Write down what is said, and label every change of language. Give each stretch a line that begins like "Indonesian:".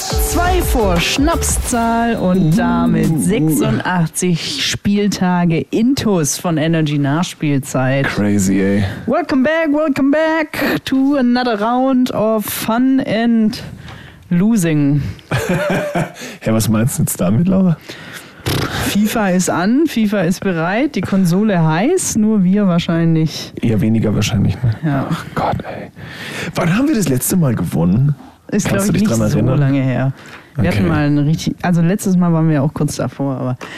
German: Zwei vor Schnapszahl und damit 86 Spieltage Intus von Energy Nachspielzeit. Crazy, ey.
English: Welcome back to another round of fun and losing.
German: Ja, was meinst du jetzt damit, Laura? FIFA ist an, FIFA ist bereit, die Konsole heiß, nur wir wahrscheinlich. Eher weniger wahrscheinlich, ne? Ja. Ach Gott, ey. Wann haben wir das letzte Mal gewonnen? Ist, glaube ich, nicht so lange her. Wir hatten mal ein richtig, also letztes Mal waren wir auch kurz davor, aber.